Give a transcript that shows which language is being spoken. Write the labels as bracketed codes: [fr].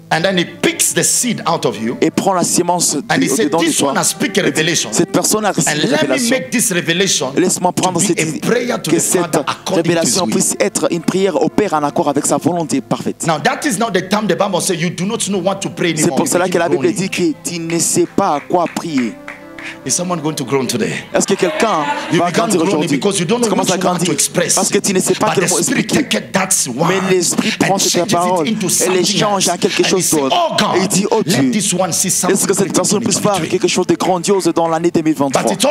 [en] And then he picks the seed out of you. [fr] Et prend la semence. [en] And he said, "This one has picked a revelation." [fr] Cette personne a reçu une révélation. [en] And let me make this revelation. [fr] Laisse-moi prendre cette prière que cette révélation puisse être une prière au Père en accord avec sa volonté parfaite. [en] Now that is not the time the Bible says you do not know what to pray anymore. [fr] C'est pour cela que la Bible dit que tu ne sais pas à quoi prier. [en] Is someone going to groan today? [fr] Est-ce que quelqu'un va grandir aujourd'hui? [en] Because you don't know what to express. [fr] Parce que tu ne sais pas quel mot expliquer. Mais l'esprit prend cette parole et l'échange à quelque chose d'autre. Et dit, oh Dieu, est-ce que cette personne puisse faire quelque chose de grandiose dans l'année 2023?